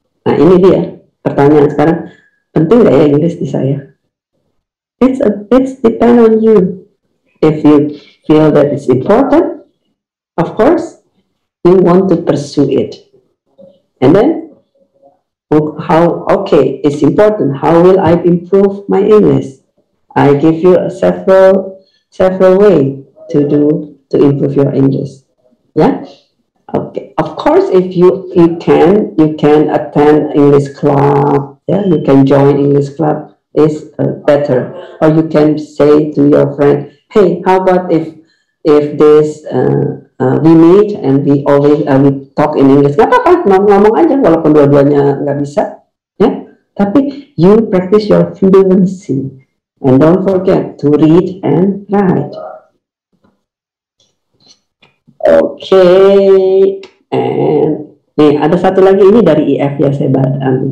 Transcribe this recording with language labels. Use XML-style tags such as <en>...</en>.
<id>Nah, ini dia pertanyaan sekarang. Penting nggak ya English di saya?</id> <en>It's depend on you. If you feel that it's important, of course, you want to pursue it. And then, it's important. How will I improve my English? I give you several way to improve your English. Yeah. Okay. Of course, if you can attend English club. Yeah, you can join English club. is better, or you can say to your friend, hey, how about if this we meet and we always we talk in English?</en> <id>Gak apa-apa, ngomong aja walaupun dua-duanya nggak bisa, ya. Yeah? Tapi</id> <en>you practice your fluency and don't forget to read and write.</en> <id>Okay, and nih ada satu lagi, ini dari IF ya, saya baca.</id>